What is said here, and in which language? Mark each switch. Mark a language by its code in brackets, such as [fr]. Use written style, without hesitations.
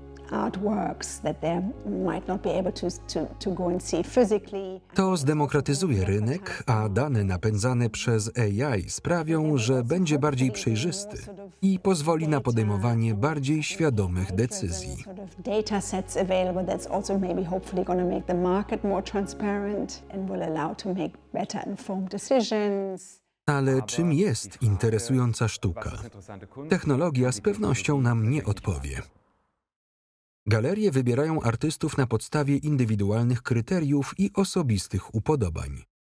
[en] artworks that they might not be able to go and see physically. [pl] To zdemokratyzuje rynek, a dane napędzane przez AI sprawią, że będzie bardziej przejrzysty i pozwoli na podejmowanie bardziej świadomych decyzji. [en] Data sets available that's also maybe hopefully going to make the market more transparent and will allow to make better informed decisions. [pl] Ale czym jest interesująca sztuka? Technologia z pewnością nam nie odpowie. Galerie wybierają artystów na podstawie indywidualnych kryteriów i osobistych upodobań.